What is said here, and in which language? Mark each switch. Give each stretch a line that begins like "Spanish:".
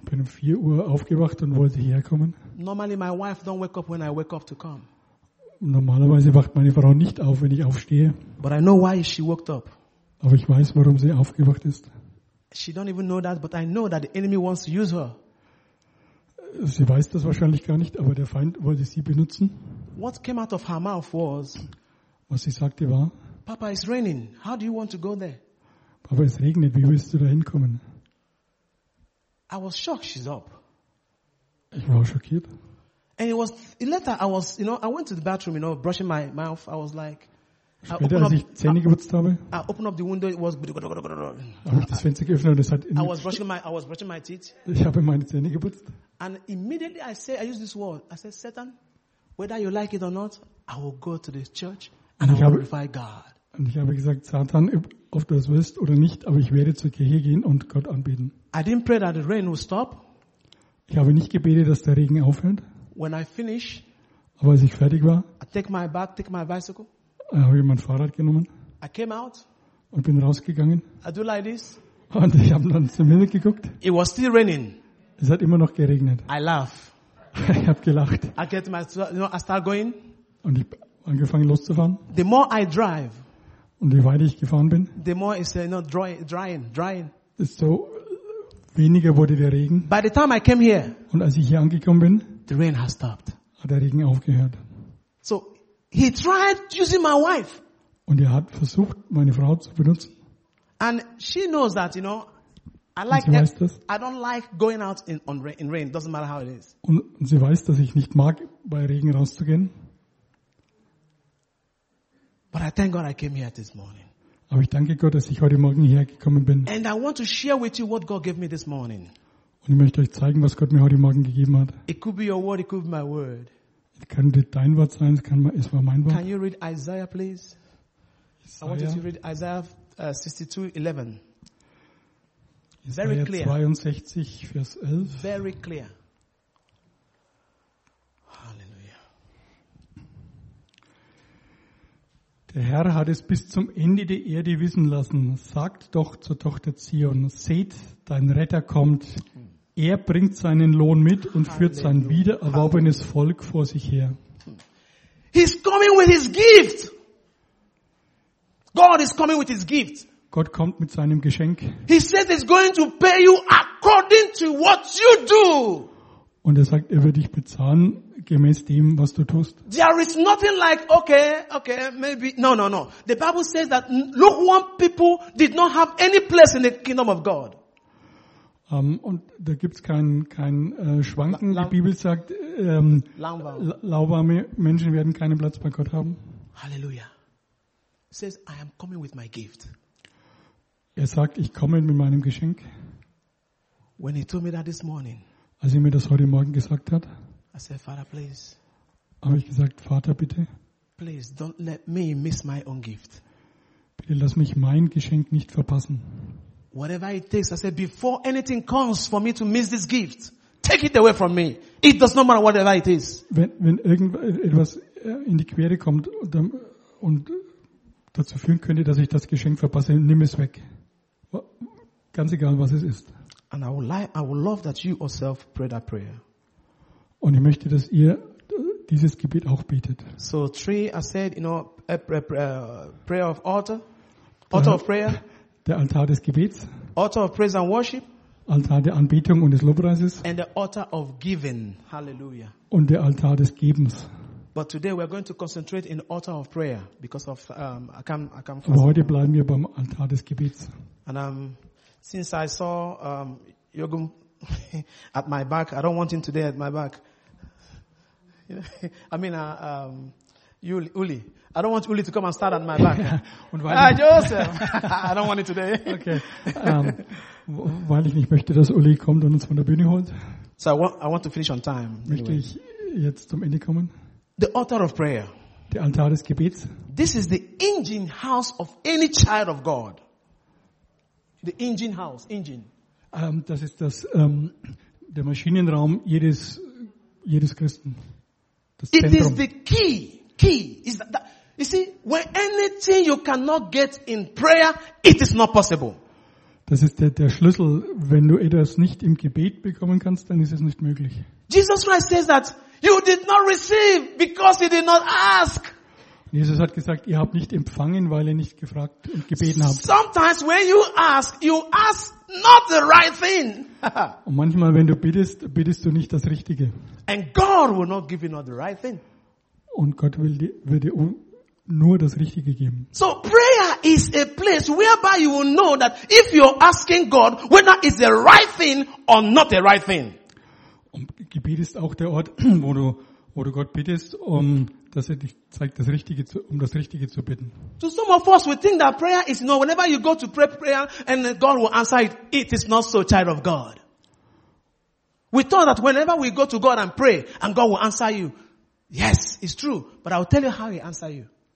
German: Bin um 4 Uhr aufgewacht und wollte hierher kommen.
English: Normally, my wife don't wake up when I wake up to come.
German: Normalerweise wacht meine Frau nicht auf, wenn ich aufstehe.
English: But I know why she woke up.
German: Aber ich weiß, warum sie aufgewacht ist.
English: She don't even know that, but I know that the enemy wants to use her.
German: Sie weiß das wahrscheinlich gar nicht, aber der Feind wollte sie benutzen.
English: What came out of her mouth was,
German: was sie sagte war,
English: Papa, it's raining. How do you want to go there?
German: Papa, es regnet. Wie willst du da hinkommen?
English: I was shocked. She's up.
German: Ich war schockiert.
English: And it was later. I was, you know, I went to the bathroom, you know, brushing my mouth. I was like,
German: später, als ich Zähne geputzt habe,
English: I opened up the window. It was.
German: Habe ich das Fenster geöffnet und es hat.
English: I was brushing my teeth.
German: Ich habe meine Zähne geputzt.
English: And immediately I say, I use this word. I say, Satan, whether you like it or not, I will go to this church and I will glorify God.
German: Und ich habe gesagt, Satan, ob du es willst oder nicht, aber ich werde zur Kirche gehen und Gott anbeten.
English: I didn't pray that the rain will stop.
German: Ich habe nicht gebetet, dass der Regen aufhört.
English: When I finish,
German: aber als ich fertig war,
English: I take my bicycle.
German: Ich habe mein Fahrrad genommen.
English: I came out.
German: Und bin rausgegangen.
English: I do like this.
German: Und ich habe dann zum Himmel geguckt.
English: It was still raining.
German: Es hat immer noch geregnet.
English: I laugh.
German: Ich habe gelacht.
English: I get my, you know, I start going.
German: Und ich habe angefangen loszufahren.
English: The more I drive.
German: Und je weiter ich gefahren bin.
English: The more it's, you know, drying.
German: Desto weniger wurde der Regen.
English: By the time I came here.
German: Und als ich hier angekommen bin.
English: The rain has stopped.
German: Hat der Regen aufgehört.
English: So, He tried using my wife.
German: Und er hat versucht, meine Frau zu benutzen.
English: And she knows that, you know, I like
German: sie weiß das.
English: I don't like going out in rain. Doesn't matter how it is.
German: Und sie weiß, dass ich nicht mag, bei Regen rauszugehen.
English: But I thank God I came here this morning.
German: Aber ich danke Gott, dass ich heute Morgen hierher gekommen bin.
English: And I want to share with you what God gave me this morning.
German: Und ich möchte euch zeigen, was Gott mir heute Morgen gegeben hat.
English: It could be your word, it could be my word.
German: Es kann dein Wort sein, es war mein Wort.
English: Can you read Isaiah, please? Isaiah. I want you to read Isaiah 62:11. Very clear. Isaiah 62, Vers 11. Very clear.
German: Halleluja. Der Herr hat es bis zum Ende der Erde wissen lassen. Sagt doch zur Tochter Zion, seht, dein Retter kommt. Er bringt seinen Lohn mit und führt sein wiedererworbenes Volk vor sich her.
English: He's coming with his gift. God is coming with his gift.
German: Gott kommt mit seinem Geschenk.
English: He says he's going to pay you according to what you do.
German: Und er sagt, er wird dich bezahlen gemäß dem, was du tust.
English: There is nothing like okay, maybe. No. The Bible says that lukewarm people did not have any place in the kingdom of God.
German: Und da gibt's kein Schwanken. Die Bibel sagt, lauwarme Menschen werden keinen Platz bei Gott haben. Halleluja.
English: He says, I am coming with my gift.
German: Er sagt, ich komme mit meinem Geschenk.
English: When he told me that this morning,
German: als er mir das heute Morgen gesagt hat,
English: I said, Father, please.
German: Habe ich gesagt, Vater, bitte.
English: Please don't let me miss my own gift.
German: Bitte lass mich mein Geschenk nicht verpassen.
English: Whatever it takes, I said, before anything comes for me to miss this gift, take it away from me. It does not matter whatever it is.
German: Wenn irgendetwas in die Quere kommt und dazu führen könnte, dass ich das Geschenk verpasse, nimm es weg. Ganz egal, was es ist.
English: And I would love that you yourself pray that prayer.
German: Und ich möchte, dass ihr dieses Gebet auch betet.
English: So three, I said, you know, prayer of altar, altar of prayer.
German: Der Altar des Gebets.
English: Altar of praise and worship.
German: Altar der Anbetung und des Lobpreises.
English: And the altar of giving. Hallelujah.
German: Und der Altar des Gebens.
English: But today we are going to concentrate in altar of prayer because of I come fast.
German: Aber heute bleiben wir beim Altar des Gebets.
English: And since I saw Yogum at my back, I don't want him today at my back. I mean Uli. I don't want Uli to come and start at my back. Hi, Joseph. I don't want it today. Okay.
German: Weil ich nicht möchte, dass Uli kommt und uns von der Bühne holt.
English: So I want to finish on time.
German: Möchte ich jetzt zum Ende kommen?
English: The altar of prayer.
German: Der Altar des Gebets.
English: This is the engine house of any child of God. The engine house, engine.
German: Das ist das der Maschinenraum jedes Christen. Das
English: It
German: Zentrum.
English: Is the key. Key is that you see when anything you cannot get in prayer, it is not possible.
German: Das ist der Schlüssel. Wenn du etwas nicht im Gebet bekommen kannst, dann ist es nicht möglich.
English: Jesus Christ says that you did not receive because you did not ask.
German: Jesus hat gesagt, ihr habt nicht empfangen, weil ihr nicht gefragt und gebeten habt.
English: Sometimes when you ask not the right thing.
German: Und manchmal, wenn du bittest, bittest du nicht das Richtige.
English: And God will not give you not the right thing.
German: Und Gott will dir nur das Richtige geben.
English: So prayer is a place whereby you will know that if you're asking God whether it's the right thing or not the right thing.
German: Und Gebet ist auch der Ort, wo du Gott bittest, dass er dich zeigt, das Richtige zu bitten.
English: To some of us, we think that prayer is no. Whenever you go to pray prayer and God will answer it, it is not so, child of God. We thought that whenever we go to God and pray and God will answer you. Yes, it's true, but I'll tell you how he answers you.